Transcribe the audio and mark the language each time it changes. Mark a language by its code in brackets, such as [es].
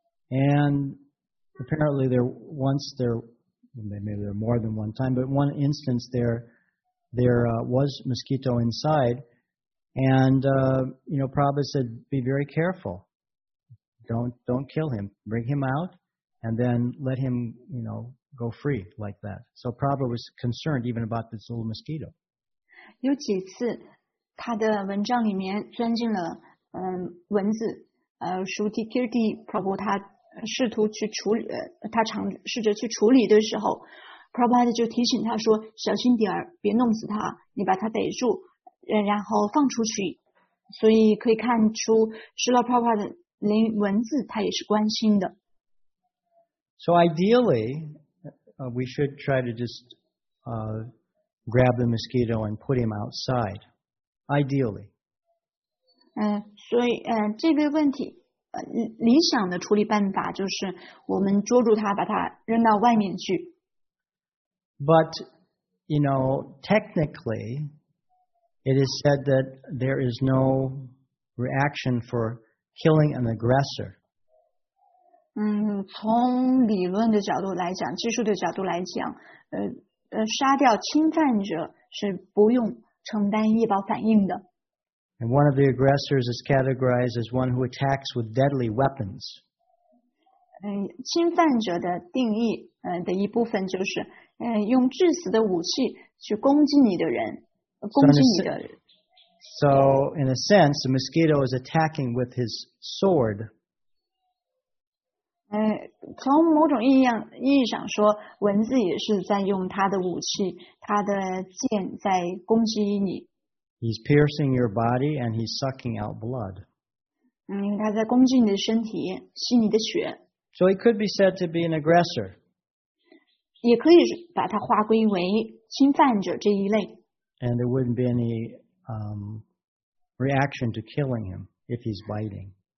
[en] And apparently there more than one time, but one instance there was mosquito inside, and Prabhu said, "Be very careful. Don't kill him. Bring him out." And then let him, go free like that. So Prabhupada was concerned even about this little mosquito. [zh] 有几次他的蚊帐里面钻进了蚊子。 Shruti Kirti Prabhupada 他试图去处理，他尝试着去处理的时候 ，Prabhupada 就提醒他说：“小心点儿，别弄死他，你把他逮住，然后放出去。” 所以可以看出 ，Srila Prabhupada 连蚊子他也是关心的。 [en] So ideally, we should try to just grab the mosquito and put him outside. Ideally. [zh] 所以这个问题理想的处理办法就是我们捉住它，把它扔到外面去。 [en] But technically, it is said that there is no reaction for killing an aggressor. [zh] 从理论的角度来讲，技术的角度来讲，杀掉侵犯者是不用承担易爆反应的。 [en] And one of the aggressors is categorized as one who attacks with deadly weapons. [zh] 侵犯者的定义的一部分就是用致死的武器去攻击你的人，攻击你的人。 [en] So in a sense, the mosquito is attacking with his sword. [zh] 从某种意义上说，蚊子也是在用它的武器，它的剑在攻击你。 [en] He's piercing your body and he's sucking out blood. [zh] 它在攻击你的身体，吸你的血。 [en] So he could be said to be an aggressor. [zh] 也可以把它划归为侵犯者这一类。 [en] And there wouldn't be any reaction to killing him if he's biting.